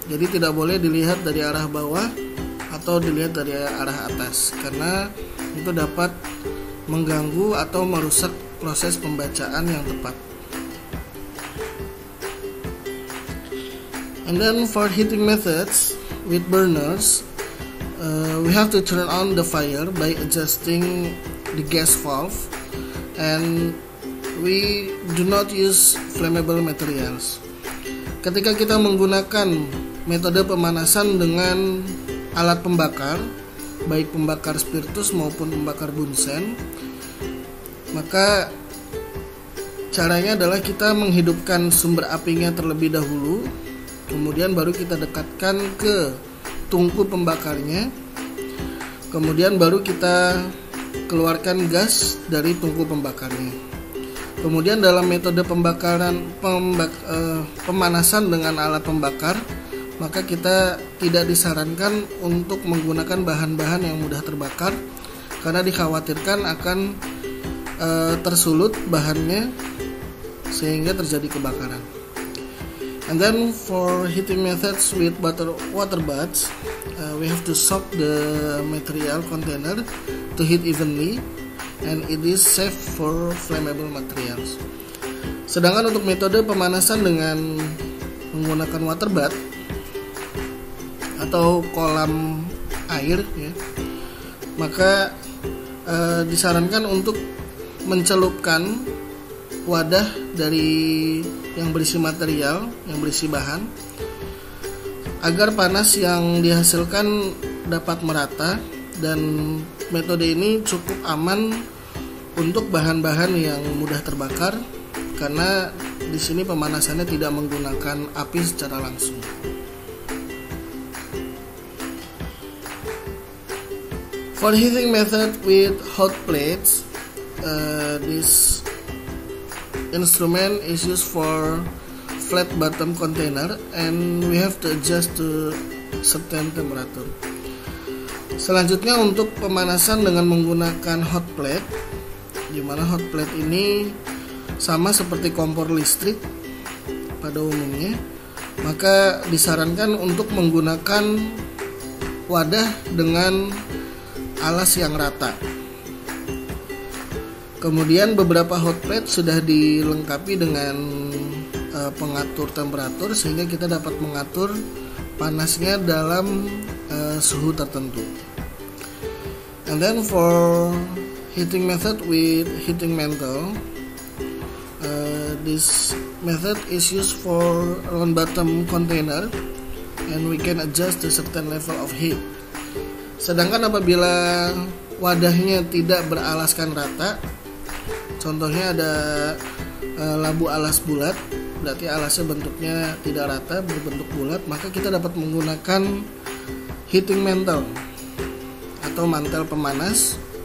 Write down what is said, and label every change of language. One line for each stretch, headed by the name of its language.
Indonesian: Jadi tidak boleh dilihat dari arah bawah atau dilihat dari arah atas, karena itu dapat mengganggu atau merusak proses pembacaan yang tepat.
English: And then for heating methods with burners, we have to turn on the fire by adjusting the gas valve, and we do not use flammable materials.
Indonesian: Ketika kita menggunakan metode pemanasan dengan alat pembakar, baik pembakar spiritus maupun pembakar bunsen, maka caranya adalah kita menghidupkan sumber apinya terlebih dahulu, kemudian baru kita dekatkan ke tungku pembakarnya, kemudian baru kita keluarkan gas dari tungku pembakarnya. Kemudian dalam metode pemanasan dengan alat pembakar, maka kita tidak disarankan untuk menggunakan bahan-bahan yang mudah terbakar, karena dikhawatirkan akan tersulut bahannya sehingga terjadi kebakaran.
English: And then for heating methods with water baths, we have to soak the material container to heat evenly, and it is safe for flammable materials.
Indonesian: Sedangkan untuk metode pemanasan dengan menggunakan water bath atau kolam air, ya, maka disarankan untuk mencelupkan wadah dari yang berisi material, yang berisi bahan, agar panas yang dihasilkan dapat merata, dan metode ini cukup aman Untuk bahan-bahan yang mudah terbakar, karena di sini pemanasannya tidak menggunakan api secara langsung.
English: For heating method with hot plates, this instrument is used for flat bottom container and we have to adjust to certain temperature.
Indonesian: Selanjutnya untuk pemanasan dengan menggunakan hot plate, di mana hot plate ini sama seperti kompor listrik pada umumnya, maka disarankan untuk menggunakan wadah dengan alas yang rata. Kemudian beberapa hot plate sudah dilengkapi dengan pengatur temperatur sehingga kita dapat mengatur panasnya dalam suhu tertentu.
English: And then for heating method with heating mantle, this method is used for round bottom container and we can adjust the certain level of heat.
Indonesian: Sedangkan apabila wadahnya tidak beralaskan rata, contohnya ada labu alas bulat, berarti alasnya bentuknya tidak rata, berbentuk bulat, maka kita dapat menggunakan heating mantle atau mantel pemanas.